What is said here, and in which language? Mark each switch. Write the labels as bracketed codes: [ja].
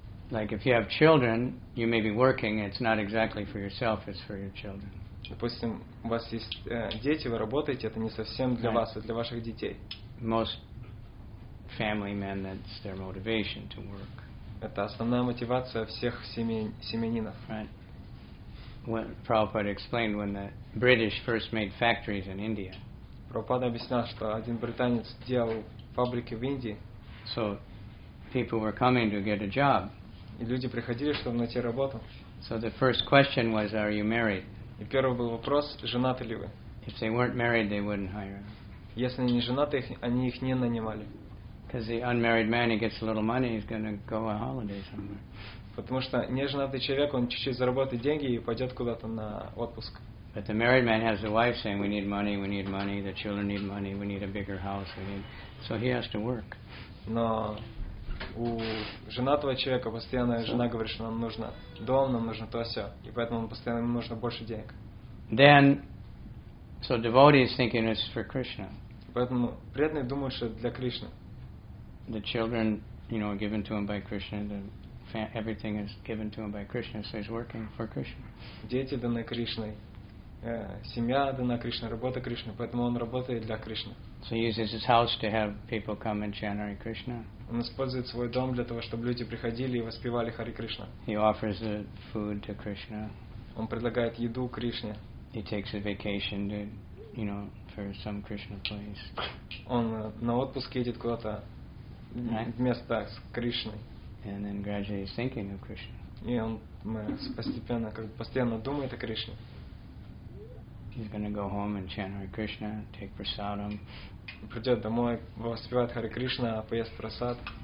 [en] Like if you have children, you may be working, it's not exactly for yourself, it's for your children. [ru] Допустим, у вас есть дети, вы работаете, это не совсем для вас, а для ваших детей. [en] Most family men, that's their motivation to work. [ru] Это основная мотивация всех семьянинов. [en] Right. When Prabhupada explained when the British first made factories in India. [ru] Prabhupada объяснял, что один британец делал фабрики в Индии. [en] So people were coming to get a job. [ru] И люди приходили, чтобы найти работу. [en] So the first question was, are you married? [ru] И первый был вопрос, женаты ли вы? [en] If they weren't married, they wouldn't hire. [ru] Если они не женаты, они их не нанимали. [en] Because the unmarried man, he gets a little money, he's going to go on holiday somewhere. [ru] Потому что неженатый человек, он чуть-чуть заработает деньги и пойдет куда-то на отпуск. [en] But the married man has a wife saying, we need money, we need money, the children need money, we need a bigger house, we need... So he has to work. [ru] Но у женатого человека постоянно жена говорит, что нам нужно дом, нам нужно то, все. И поэтому постоянно ему нужно больше денег. [en] Then, so devotee is thinking it's for Krishna. [ru] Поэтому преданный думает, что для Кришны. [en] The children, you know, are given to him by Krishna, the everything is given to him by Krishna, so he's working for Krishna. [ru] Дети даны Кришной, семья дана Кришной, работа Кришной, поэтому он работает для Кришны. [en] So he uses his house to have people come and chant Hare Krishna. [ru] Он использует свой дом для того, чтобы люди приходили и воспевали Хари Кришна. [en] He offers the food to Krishna. [ru] Он предлагает еду Кришне. [en] He takes a vacation to, you know, for some Krishna place. [ru] Он на отпуск едет куда-то вместо с Кришной. [en] And then gradually he's thinking of Krishna. [ru] И он постепенно, как бы постоянно думает о Кришне. [en] He's going to go home and chant Hare Krishna, take prasadam. [ru] Придет домой, воспевает Хари Кришна, поест прасад.